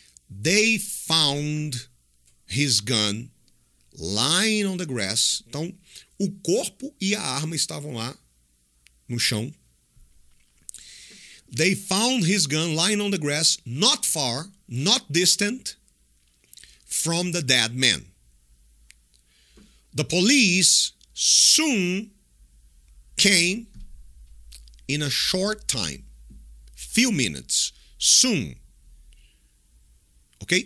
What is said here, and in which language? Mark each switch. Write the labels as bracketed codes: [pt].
[en] They found his gun lying on the grass. [pt] Então, o corpo e a arma estavam lá no chão. [en] They found his gun lying on the grass, not far, not distant, from the dead man. The police soon came in a short time, few minutes, soon. Okay?